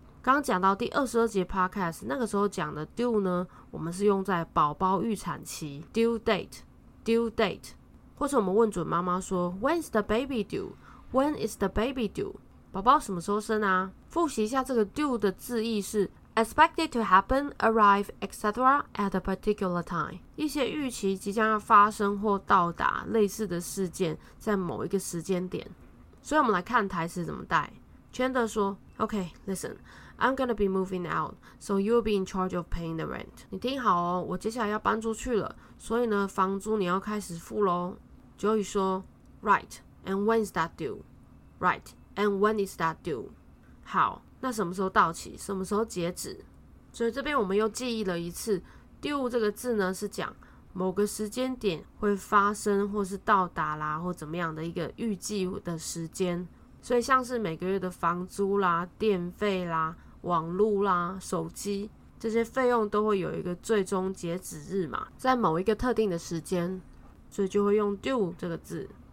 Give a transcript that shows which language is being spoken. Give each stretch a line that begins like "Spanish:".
Chinese: 刚讲到第22节 podcast， 那个时候讲的 due 呢，我们是用在宝宝预产期 due date， 或是我们问准妈妈说
English: when is the baby due，
Chinese: 宝宝什么时候生啊。复习一下这个 due 的字义是
English: Expected to happen, arrive, etc. at a particular time.
Chinese: 一些预期即将要发生或到达类似的事件在某一个时间点。所以我们来看台词怎么带。
English: Chandler 说 Okay, listen, I'm gonna be moving out, so you'll be in charge of paying the rent.
Chinese: 你听好哦，我接下来要搬出去了，所以呢房租你要开始付咯。
English: Joey 说 Right, and when is that due? Right, and when is that due?
Chinese: 好，那什么时候到期，什么时候截止。所以这边我们又记忆了一次 due 这个字呢是讲某个时间点会发生或是到达啦，或怎么样的一个预计的时间。所以像是每个月的房租啦、电费啦、网路啦、手机这些费用都会有一个最终截止日嘛，在某一个特定的时间，所以就会用 due 这个字。